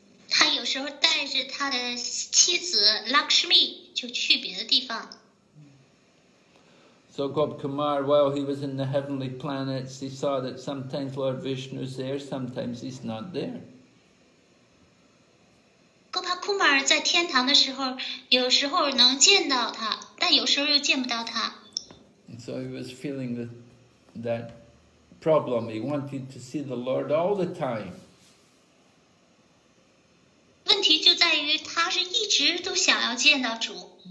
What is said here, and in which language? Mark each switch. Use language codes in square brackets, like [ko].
[zh] 他有时候带着他的妻子 Lakshmi 就去别的地方。 [en] So Gop Kumar, while he was in the heavenly planets, he saw that sometimes Lord Vishnu is there, sometimes he's not there. [zh] 哥帕库马尔在天堂的时候，有时候能见到他，但有时候又见不到他。 [en] So he was feeling that problem. He wanted to see the Lord all the time. [zh] 问题就在于他是一直都想要见到主。